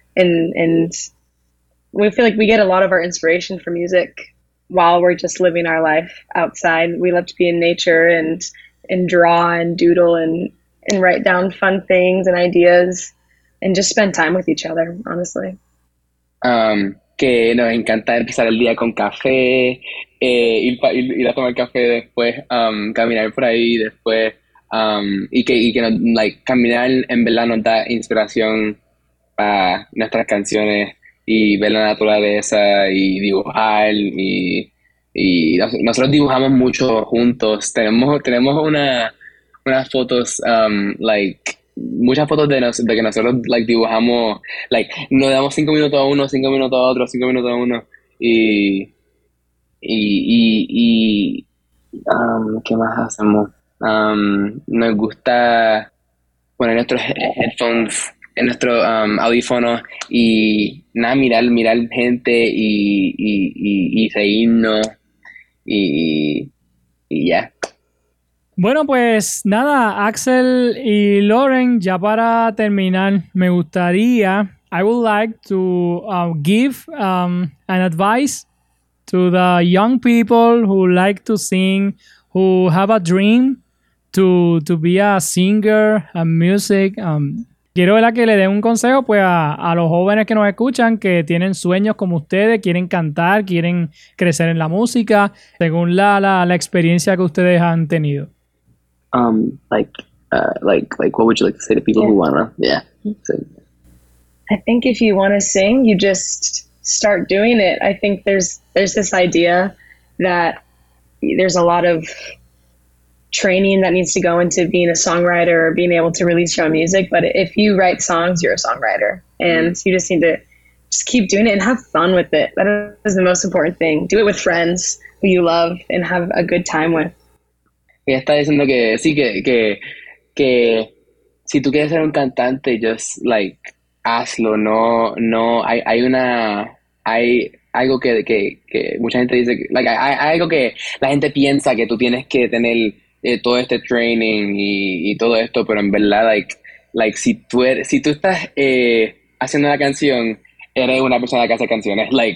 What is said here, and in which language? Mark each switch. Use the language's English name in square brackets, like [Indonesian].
[English] And we feel like we get a lot of our inspiration for music while we're just living our life outside. We love to be in nature and draw and doodle and write down fun things and ideas. And just spend time with each other, honestly. [Spanish] Que nos encanta empezar el día con café, ir a tomar café después, caminar por ahí después, y que no, like, caminar en verdad nos da inspiración para nuestras canciones y ver la naturaleza y dibujar y nosotros dibujamos mucho juntos. Tenemos unas fotos muchas fotos de que nosotros dibujamos, nos damos 5 minutos a uno, 5 minutos a otro, 5 minutos a uno, y ¿qué más hacemos? Nos gusta poner nuestros headphones en nuestro audífono y nada, mirar gente y reírnos y ya. Bueno, pues nada, Axel y Lauren, ya para terminar, me gustaría, [English] I would like to give an advice to the young people who like to sing, who have a dream to be a singer and music. [Spanish] Quiero ver a que le dé un consejo pues a los jóvenes que nos escuchan, que tienen sueños como ustedes, quieren cantar, quieren crecer en la música, según la experiencia que ustedes han tenido. [English] What would you like to say to people who wanna sing? I think if you wanna sing, you just start doing it. I think there's this idea that there's a lot of training that needs to go into being a songwriter or being able to release your own music. But if you write songs, you're a songwriter, and you just need to just keep doing it and have fun with it. That is the most important thing. Do it with friends who you love and have a good time with. [Spanish] Ella está diciendo que sí, que si tú quieres ser un cantante, [English] just like [Spanish] hazlo, no hay algo que mucha gente dice, hay algo que la gente piensa que tú tienes que tener todo este training y todo esto, pero en verdad si tú estás haciendo la canción, eres una persona que hace canciones,